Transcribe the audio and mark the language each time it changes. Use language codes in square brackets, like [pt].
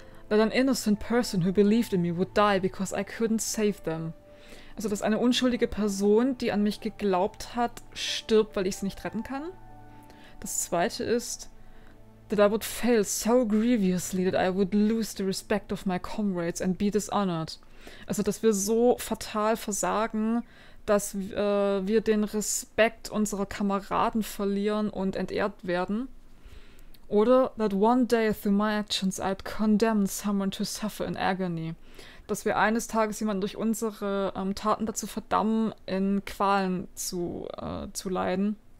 [en] That an innocent person who believed in me would die because I couldn't save them. [de] Also, dass eine unschuldige Person, die an mich geglaubt hat, stirbt, weil ich sie nicht retten kann. Das zweite ist, [en] that I would fail so grievously that I would lose the respect of my comrades and be dishonored. [de] Also, dass wir so fatal versagen, dass wir den Respekt unserer Kameraden verlieren und entehrt werden. Oder [en] that one day through my actions I'd condemn someone to suffer in agony. [de] Dass wir eines Tages jemanden durch unsere Taten dazu verdammen, in Qualen zu leiden.